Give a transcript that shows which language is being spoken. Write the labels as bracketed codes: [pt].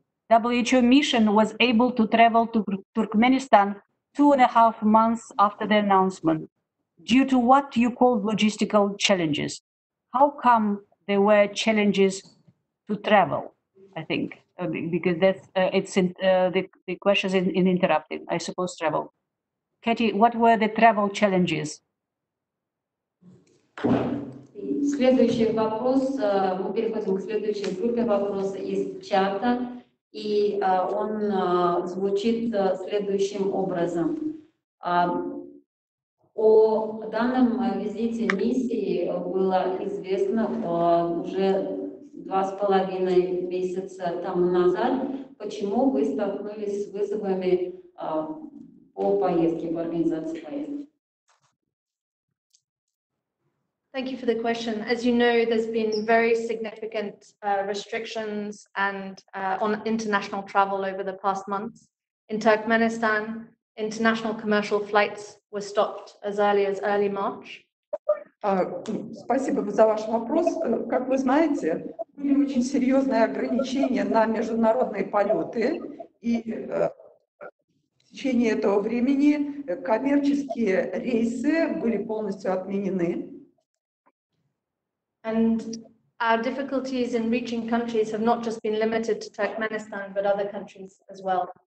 [en] WHO mission was able to travel to Turkmenistan 2.5 months after the announcement. Due to what you call logistical challenges, how come there were challenges to travel? I think, because that's it's in, the question is in interrupting, I suppose, travel. Katie, what were the travel challenges? [ru] Следующий вопрос, мы переходим к следующей группе вопросов из чата, и он звучит следующим образом. О данном визите миссии было известно уже 2.5 месяца тому назад. Почему вы столкнулись с вызовами по поездке, по организации поездки? [en] Thank you for the question. As you know, there's been very significant restrictions and on international travel over the past months. In Turkmenistan, international commercial flights were stopped as early as early March. [ru] Спасибо за ваш вопрос. Как вы знаете, были очень серьезные ограничения на международные полеты, и в течение этого времени коммерческие рейсы были полностью отменены. [en] And our difficulties in reaching countries have not just been limited to Turkmenistan, but other countries as well.